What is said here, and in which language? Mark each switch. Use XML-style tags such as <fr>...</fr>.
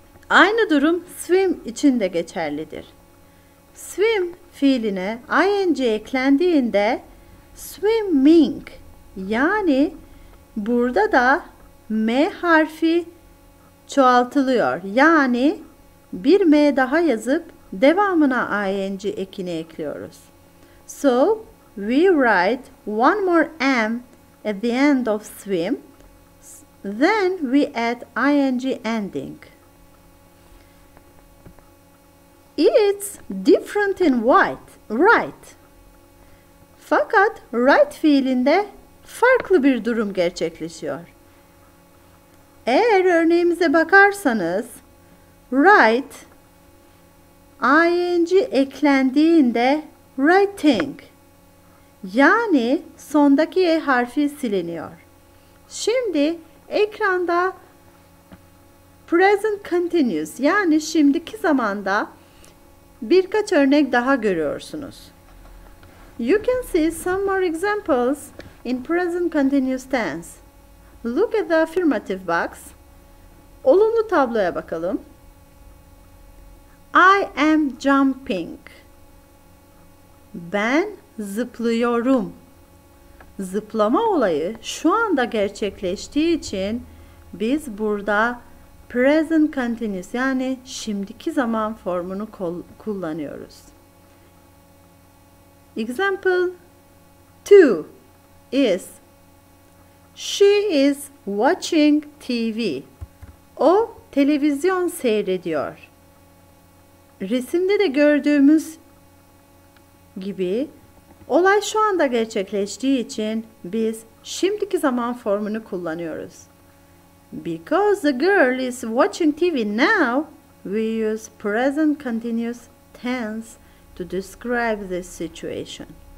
<tr>Aynı durum swim için de geçerlidir. Swim fiiline ing eklendiğinde swimming, yani burada da m harfi çoğaltılıyor. Yani bir m daha yazıp devamına ing ekini ekliyoruz.</tr> <en>So we write one more m at the end of swim, then we add ing ending. It's different in white, right?</en> <tr>Fakat right fiilinde farklı bir durum gerçekleşiyor. Eğer örneğimize bakarsanız, right, ing eklendiğinde writing, yani sondaki e harfi siliniyor. Şimdi ekranda present continuous, yani şimdiki zamanda birkaç örnek daha görüyorsunuz.</tr> <en>You can see some more examples in present continuous tense. Look at the affirmative box.</en> <tr>Olumlu tabloya bakalım.</tr> <en>I am jumping.</en> <tr>Ben zıplıyorum. Zıplama olayı şu anda gerçekleştiği için biz burada present continuous, yani şimdiki zaman formunu kullanıyoruz.</tr> <en>Example 2 is she is watching TV.</en> <tr>O televizyon seyrediyor. Resimde de gördüğümüz gibi olay şu anda gerçekleştiği için biz şimdiki zaman formunu kullanıyoruz.</tr> <en>Because the girl is watching TV now, we use present continuous tense to describe this situation.</en>